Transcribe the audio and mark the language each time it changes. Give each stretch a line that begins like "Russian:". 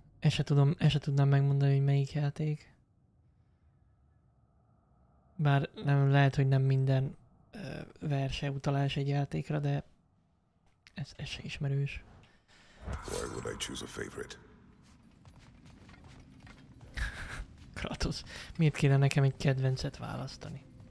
Hungarian: Ezt se tudnám megmondani, hogy melyik játék. Bár nem, lehet, hogy nem minden verse utalás egy játékra, de ez se ismerős.
English: Why would I choose a favorite?
Hungarian: Kratos, miért kéne nekem egy kedvencet választani?